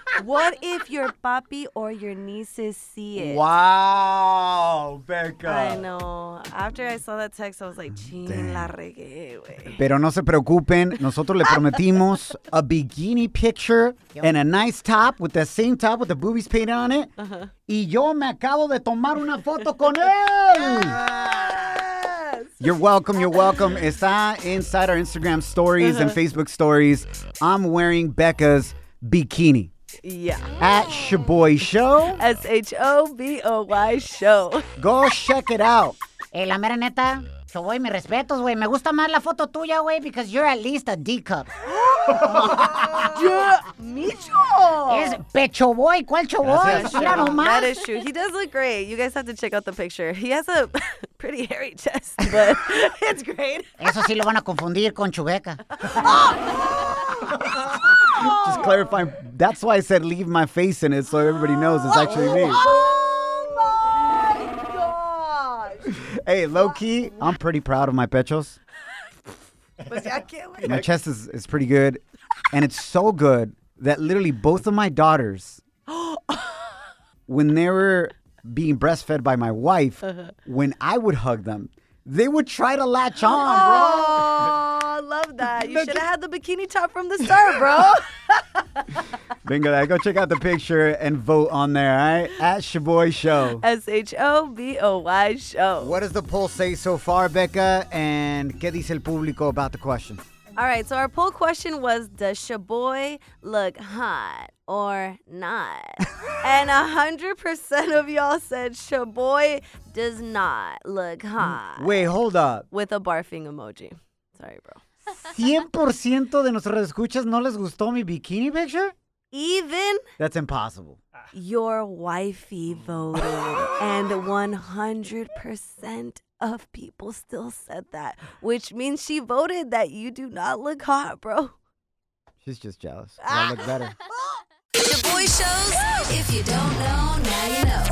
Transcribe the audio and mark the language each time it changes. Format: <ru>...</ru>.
<en>What if your papi or your nieces see it? Wow, Becca. I know. After I saw that text, I was like,</en> <es>ching, la regué, güey. Pero no se preocupen. Nosotros le prometimos</es> <en>a bikini picture and a nice top with the same top with the boobies painted on it. Uh-huh.</en> <es>Y yo me acabo de tomar una foto con él.</es> <en>You're welcome. You're welcome.</en> <es>Está</es> <en>inside our Instagram stories and Facebook stories. I'm wearing Becca's bikini. Yeah. At Shaboy Show. S-H-O-B-O-Y Show. Go check it out.</en> <es>Hey, la mera neta, Shaboy, mis respetos, güey. Me gusta más la foto tuya, güey,</es> <en>because you're at least a D-cup. Yeah, Micho.</en> <es>Es Pecho Boy. ¿Cuál Choboy? Mira nomás.</es> <en>That is true. He does look great. You guys have to check out the picture. He has a pretty hairy chest, but it's great.</en> <es>Eso sí lo van a confundir con Chubeca.</es> <en>Just clarifying, that's why I said leave my face in it so everybody knows it's actually me. Oh my gosh. Hey, low key, I'm pretty proud of my pechos. My chest is pretty good. And it's so good that literally both of my daughters, when they were being breastfed by my wife, when I would hug them, they would try to latch on, bro. Love that. You should have had the bikini top from the start, bro. Bingo that. Go check out the picture and vote on there, all right? At Shaboy Show. S-H-O-B-O-Y Show. What does the poll say so far, Becca? And</en> <es>¿qué dice el público</es> <en>about the question? All right, so our poll question was, does Shaboy look hot or not? And 100% of y'all said Shaboy does not look hot. Wait, hold up. With a barfing emoji. Sorry, bro.</en> <es>100% de nuestros escuchas no les gustó mi</es> <en>bikini picture? Even? That's impossible. Your wifey voted, and 100% of people still said that, which means she voted that you do not look hot, bro. She's just jealous. I look better. Your boy shows. If you don't know, now you know.</en>